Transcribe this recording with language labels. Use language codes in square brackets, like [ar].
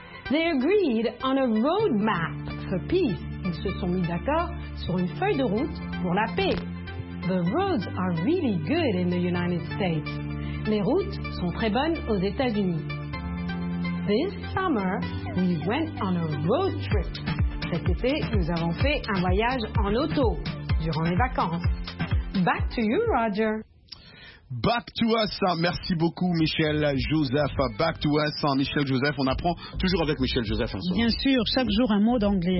[en] They agreed on a road map for peace. [fr] Ils se sont mis d'accord sur une feuille de route pour la paix. [en] The roads are really good in the United States. [fr] Les routes sont très bonnes aux États-Unis. [en] This summer, we went on a road trip. [fr] Cet été, nous avons fait un voyage en auto durant les vacances. [en] Back to you, Roger. Back to us, [fr] merci beaucoup [en] Michel Joseph. Back to us, [fr] Michel Joseph. On apprend toujours avec Michel Joseph. Ensemble. Bien sûr, chaque jour un mot d'anglais.